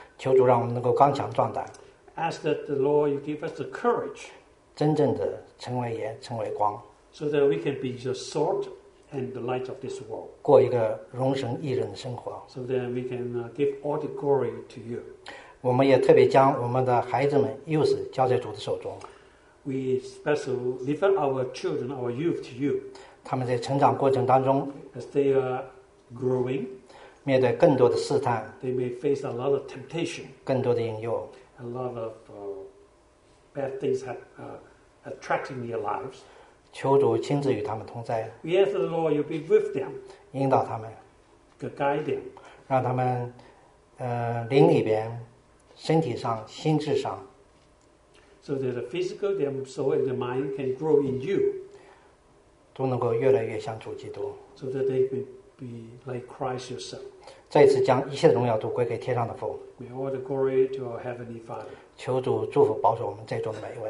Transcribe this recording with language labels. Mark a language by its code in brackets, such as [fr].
[zh] 求主让我们能够刚强壮胆 [en] ，ask that the Lord you give us the courage， [zh] 真正的成为盐，成为光 [en] ，so that we can be the salt。 And the light of this world. [zh] 过一个荣神益人的生活。 [en] So that we can give all the glory to you. [zh] 我们也特别将我们的孩子们、幼子交在主的手中。 [en] We special lift our children, our youth to you. [zh] 他们在成长过程当中 [en] ，as they are growing, [zh] 面对更多的试探 [en] ，they may face a lot of temptation, [zh] 更多的引诱 [en] ，a lot of bad things have attracting their lives. [zh] 求主亲自与他们同在。 [en] Yes, the Lord, you be with them. [zh] 引导他们。 [en] To guide them. [zh] 让他们，灵里边、身体上、心智上。 [en] So that the physical, their soul, and their mind can grow in you. [zh] 都能够越来越像主基督。 [en] So that they may be like Christ yourself. [zh] 再次将一切的荣耀都归给天上的父。 [en] May all the glory to our heavenly Father. [zh] 求主祝福保守我们在座的每一位。